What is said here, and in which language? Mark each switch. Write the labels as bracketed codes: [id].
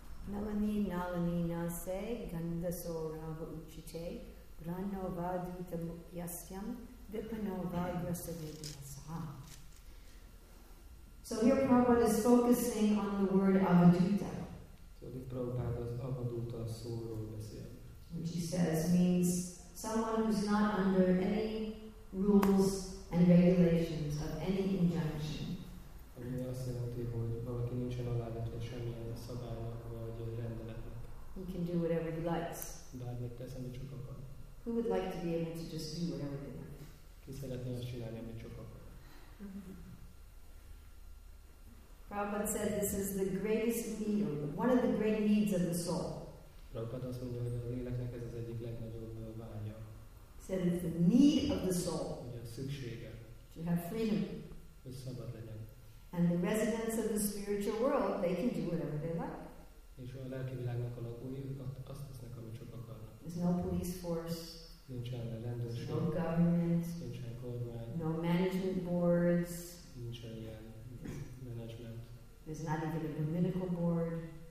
[sa] Nalani nalani nase gandaso rava uchite grano vaduta mukyasyam vipano vagrasa vidyasa. [en] So here Prabhupada is focusing on the word avaduta. So the [hu] Prabhupada is avaduta szóról beszél. [en] Which he says means someone who's not under any rules and regulations of any injunction. [hu] Ami azt jelenti, hogy valaki nincsen alávetve semmilyen szabálynak vagy rendeletnek. [en] He can do whatever he likes. [hu] Bármit tesz, amit csak akar. [en] Who would like to be able to just do whatever they like? [hu] Ki szeretné azt csinálni, amit csak akar? Mm-hmm. [en] Prabhupada said this is the greatest need, one of the great needs of the soul. [hu] Prabhupada azt mondja, hogy az életnek ez az egyik legnagyobb vágya. [en] Said it's the need of the soul. [hu] Hogy a szüksége. [en] To have freedom. [hu] Hogy szabad legyen. [en] And the residents of the spiritual world, they can do whatever they like. [hu] És a lelki világnak a lakói, azt tesznek, amit csak akarnak. [en] There's no police force. [hu] Nincsen rendőrség. [en] No government. [hu] Nincsen kormány. [en] No management boards. [hu] Nincsen ilyen management. [en] There's not even a political board.